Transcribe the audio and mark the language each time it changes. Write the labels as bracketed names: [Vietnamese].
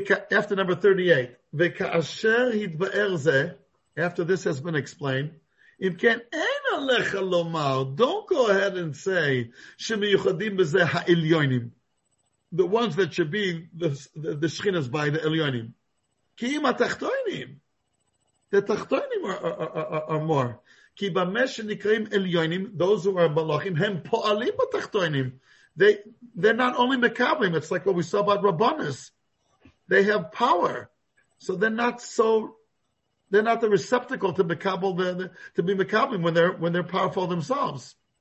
[English] After number 38, after this has been explained, don't go ahead and say, the ones that should be the Shechinas by the Elyonim. The Tachtonim are more. [Hebrew] כי במה שנקראים עליונים, [English] those who are [Hebrew] מלאכים, הם פועלים בתחתונים. [English] They're not only מקבלים, it's like what we saw about Rabbanus. They have power. So they're not the receptacle to מקבל, to be מקבלים when they're powerful themselves.